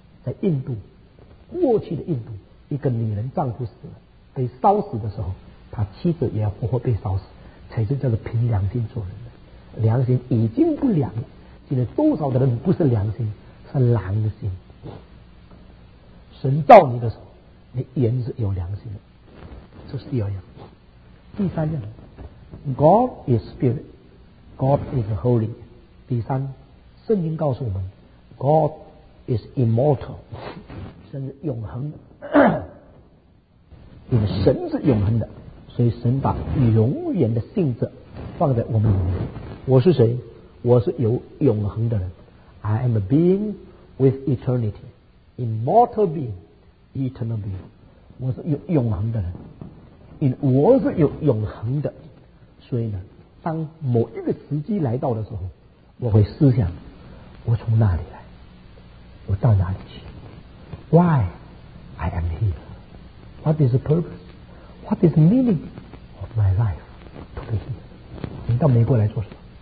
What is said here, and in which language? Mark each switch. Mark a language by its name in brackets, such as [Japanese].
[Chinese] 在印度过去的印度，一个女人丈夫死了被烧死的时候，她妻子也要活活被烧死，才是叫做凭良心做人的。良心已经不良了，现在多少的人不是良心是狼心。神造你的时候你原是有良心的，这是第二样。第三样， [English] God is spirit， God is holy。 [Chinese] 第三，圣经告诉我们 [English] God is immortal， [Chinese] 神是永恒的。因为神是永恒的，所以神把永远的性质放在我们里面。我是谁？我是有永恒的人。 [English] I am a being with eternity， immortal being， eternal being， [Chinese] 我是有永恒的人。因为我是有永恒的，所以呢当某一个时机来到的时候，我会思想我从哪里来，我到哪里去， [English] Why I am here， What is the purpose， What is the meaning of my life to be here。 [Chinese] 你到美国来做什么？